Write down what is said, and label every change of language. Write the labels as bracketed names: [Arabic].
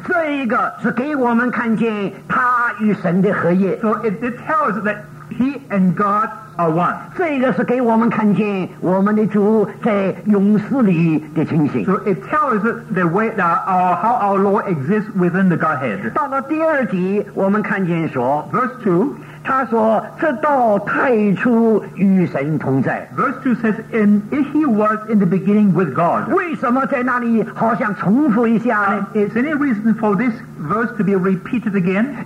[Chinese] 这一个是给我们看见他与神的合一。 [English] So it tells that he and God are one. [Chinese] 这一个是给我们看见我们的主在永世里的情形。 [English] So it tells the way that how our Lord exists within the Godhead. [Chinese] 到了第二集，我们看见说 [English] Verse 2 [Chinese] 他说：“这道太初与神同在。” [English] Verse 2 says, "In he was in the beginning with God." [Chinese] 为什么在那里好像重复一下呢？ [English] Is any reason for this verse to be repeated again?